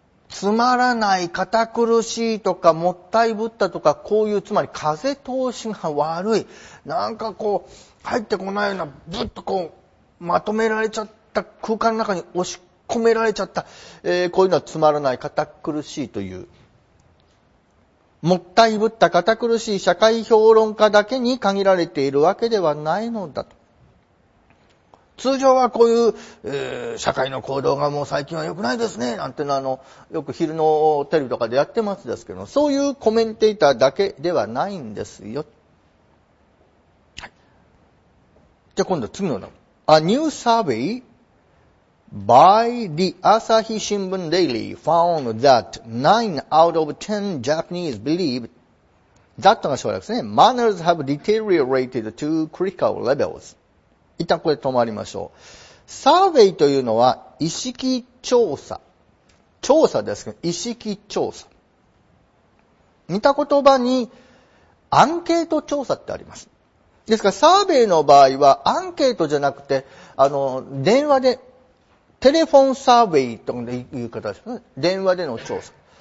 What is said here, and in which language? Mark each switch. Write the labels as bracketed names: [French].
[Japanese] つまらない、堅苦しいとか、もったいぶったとか、こういうつまり風通しが悪い、なんかこう入ってこないような、ぶっとこうまとめられちゃった、空間の中に押し込められちゃった、こういうのはつまらない、堅苦しいという、もったいぶった堅苦しい社会評論家だけに限られているわけではないのだと。通常はこういう、社会の行動がもう最近は良くないですねなんてのは、よく昼のテレビとかでやってますですけど、そういうコメンテーターだけではないんですよ。じゃあ今度は次のの。 [English] A new survey by the Asahi Shimbun Daily found that 9 out of 10 Japanese believe that [Japanese] が省略ですね。 [English] Manners have deteriorated to critical levels。 [Japanese] 一旦これ止まりましょう。サーベイというのは意識調査。調査ですけど、意識調査。似た言葉にアンケート調査ってあります。ですから、サーベイの場合は、アンケートじゃなくて、電話で、テレフォンサーベイという形ですね。電話での調査。